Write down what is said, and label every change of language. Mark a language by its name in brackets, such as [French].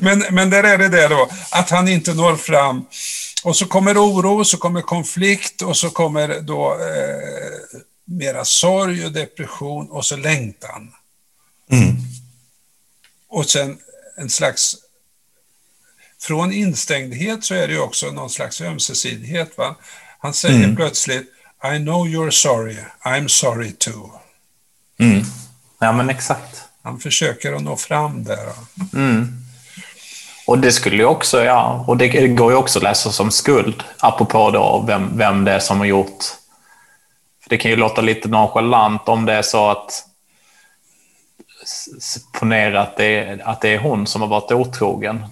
[Swedish] Men där är det det då. Att han inte når fram. Och så kommer oro, så kommer konflikt och så kommer då mera sorg och depression och så längtan. Mm. Och sen en slags, från instängdhet så är det ju också någon slags ömsesidighet, va? Han säger mm. plötsligt: [English] I know you're sorry, I'm sorry too. [Swedish] Mm. Ja, men exakt. Han försöker att nå fram där. Va? Mm. Och det skulle ju också, ja, och det går ju också att läsa som skuld, apropå då vem det är som har gjort. För det kan ju låta lite nonchalant om det är så att ponera att det är hon som har varit otrogen.